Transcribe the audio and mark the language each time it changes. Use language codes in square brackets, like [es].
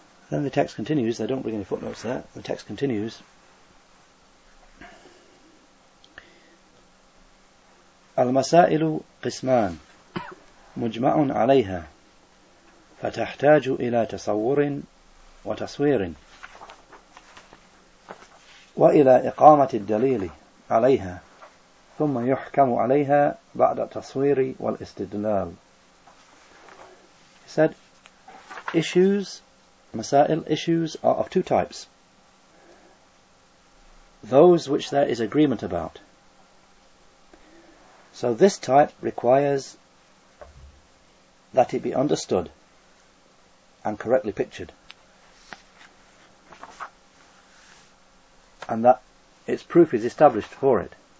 [en] Then the text continues, they don't bring any footnotes there, the text continues. [ar] المسائل قسمان مجمع عليها فتحتاج إلى تصور وتصوير وإلى إقامة الدليل عليها ثم يحكم عليها بعد التصوير والاستدلال. [en] He said, issues, masail, issues are of two types. Those which there is agreement about. So this type requires that it be understood and correctly pictured, and that its proof is established for it.